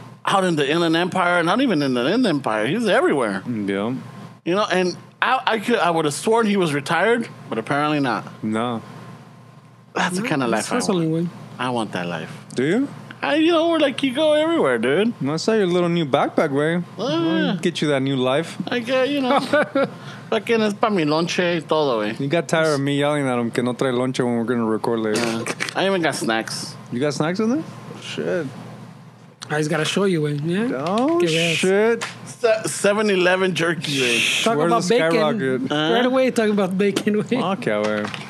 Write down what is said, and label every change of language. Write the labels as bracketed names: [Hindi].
[English] Out in the Inland Empire, not even in the Inland Empire. He's everywhere. Yeah. You know, and I would have sworn he was retired, but apparently not. No. That's the kind of life I want that life. Do you? You know, we're like, you go everywhere, dude. I saw your little new backpack, right? Get you that new life. I get, you know. [Spanish] Fucking es para mi lonche y todo, güey. [English] You got tired of me yelling at him [Spanish] que no trae lonche [English] when we're going to record later. I even got snacks. You got snacks in there? Shit. I just got to show you, man. Yeah? Oh, shit. 7-Eleven jerky, man. Talking about bacon. Right away, talking about bacon, man. Okay, man.